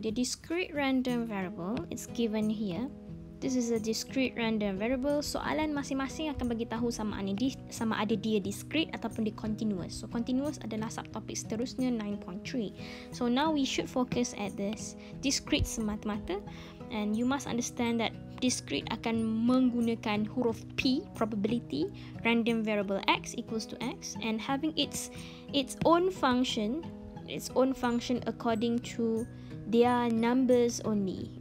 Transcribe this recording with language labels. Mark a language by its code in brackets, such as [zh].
[en] The discrete random variable is given here. This is a discrete random variable. [ms] Soalan masing-masing akan bagi tahu sama ada dia discrete ataupun dia continuous. So continuous adalah subtopik seterusnya 9.3. [en] So now we should focus at this discrete [ms] semata-mata. [en] And you must understand that discrete [ms] akan menggunakan huruf [en] P, probability, random variable X equals to X, and having its own function according to their numbers only.